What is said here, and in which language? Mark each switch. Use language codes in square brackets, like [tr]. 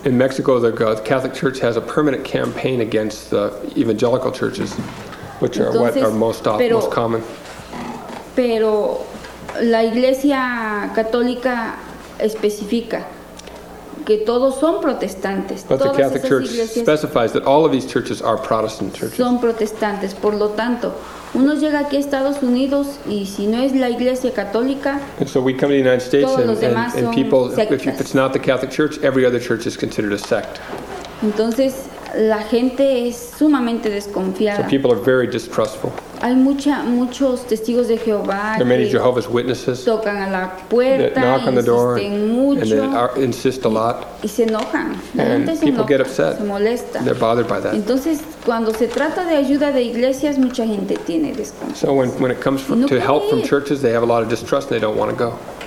[en] In Mexico, the Catholic Church has a permanent campaign against the evangelical churches, which are [es] entonces, [en] what are most often, [es] pero, [en] most common. [es] Pero la Iglesia Católica especifica que todos son protestantes. [en] But the Catholic Church specifies that all of these churches are Protestant churches. [es] Son protestantes, por lo tanto, uno llega aquí a Estados Unidos y si no es la Iglesia Católica, [en] and so we come to the United States and people, [es] sectas. [en] If it's not the Catholic Church, every other church is considered a sect. [es] Entonces, la gente es sumamente desconfiada. [en] So people are very distrustful. [es] Hay muchos testigos de Jehová. [en] There are many Jehovah's Witnesses. [es] Tocan a la puerta, [en] that knock on the door, and they insist a lot. [es] Y se enojan. La [en] and [es] gente [en] people [es] se enoja, [en] get upset. [es] Se molesta. [en] They're bothered by that. [es] Entonces, cuando se trata de ayuda de iglesias, mucha gente tiene desconfianza. [en] So when it comes to help from churches, they have a lot of distrust and they don't want to go.